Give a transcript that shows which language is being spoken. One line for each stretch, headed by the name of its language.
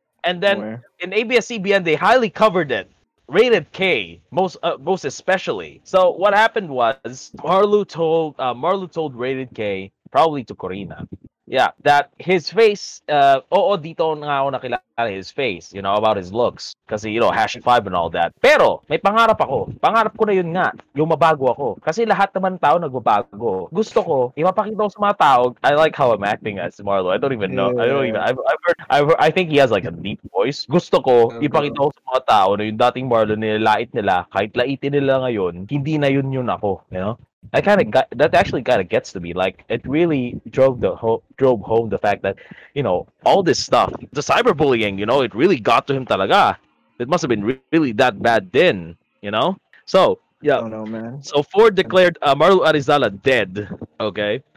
English: And then somewhere. In ABS-CBN, they highly covered it. Rated K, most especially. So what happened was, Marlou told Rated K, probably to Corina, yeah, that his face,
Filipino: dito nga ako nakilala
English: his face, you know, about his looks, kasi, you know, #5 and all that.
Filipino: Pero, may pangarap ako. Pangarap ko na yun nga, lumabago ako. Kasi lahat naman tao nagbabago. Gusto ko, ipapakita ko sa mga tao.
English: I like how I'm acting as Marlou. I don't even know. Yeah. I've heard, I think he has like a deep voice.
Filipino: Gusto ko, ipakita ko sa mga tao na yung dating Marlou nilait nila, kahit laitin nila ngayon, hindi na yun ako, you know?
English: That actually kind of gets to me. Like, it really drove home the fact that, you know, all this stuff, the cyberbullying, you know, it really got to him talaga. It must have been really that bad then, you know? So, yeah. I don't know, man. So, Ford declared Marlou Arizala dead, okay?